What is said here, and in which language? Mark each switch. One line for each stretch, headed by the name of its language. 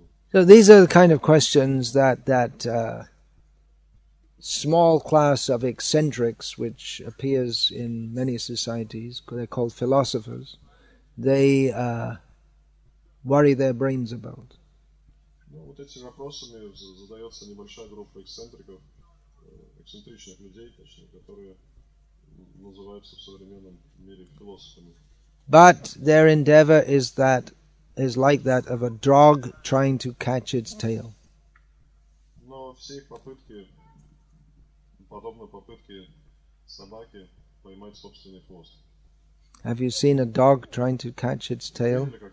English: So these are the kind of questions that small class of eccentrics, which appears in many societies, they're called philosophers, they worry their brains about.
Russian: Ну, вот этими вопросами задается небольшая группа эксцентриков, эксцентричных людей, точнее, которые называются в современном мире философами.
English: But their endeavor is that is like that of a dog trying to catch its tail.
Russian: Но все их попытки подобны попытке собаки поймать собственный хвост.
English: Have you seen a dog trying to catch its tail?